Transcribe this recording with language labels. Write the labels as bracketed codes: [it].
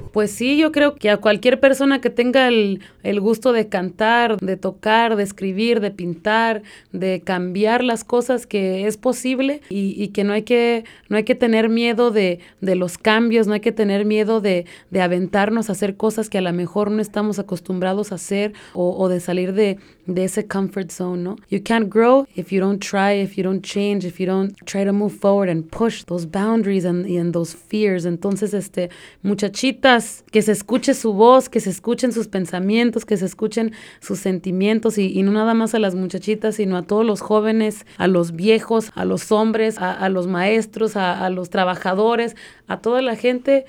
[es] Pues sí, yo creo que a cualquier persona que tenga el gusto de cantar, de tocar, de escribir, de pintar, de cambiar las cosas, que es posible y que no hay que tener miedo de los cambios, no hay que tener miedo de aventarnos a hacer cosas que a lo mejor no estamos acostumbrados a hacer o de salir de ese [en] comfort zone, [es] ¿no? [en] You can't grow if you don't try, if you don't change, if you don't try to move forward and push those boundaries and those fears. [es] Entonces, muchachitas, que se escuche su voz, que se escuchen sus pensamientos, que se escuchen sus sentimientos, y no nada más a las muchachitas, sino a todos los jóvenes, a los viejos, a los hombres, a los maestros, a los trabajadores, a toda la gente.